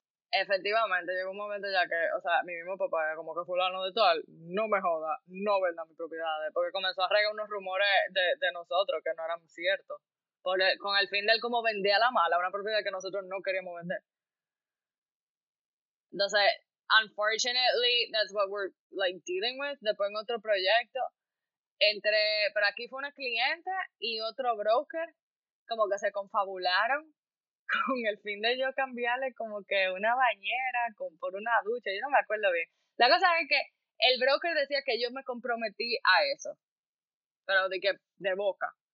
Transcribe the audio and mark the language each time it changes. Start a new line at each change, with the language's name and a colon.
Spanish: Efectivamente, llegó un momento ya que, o sea, mi mismo papá era como que fulano de tal, no me joda, no venda mis propiedades, porque comenzó a regar unos rumores de nosotros que no eran ciertos, con el fin de él como vender a la mala una propiedad que nosotros no queríamos vender.
English: Entonces, unfortunately, that's what we're, like, dealing with.
Spanish: Después en otro proyecto, pero aquí fue una cliente y otro broker, como que se confabularon con el fin de yo cambiarle como que una bañera por una ducha, yo no me acuerdo bien. La cosa es que el broker decía que yo me comprometí a eso, pero dije, de boca.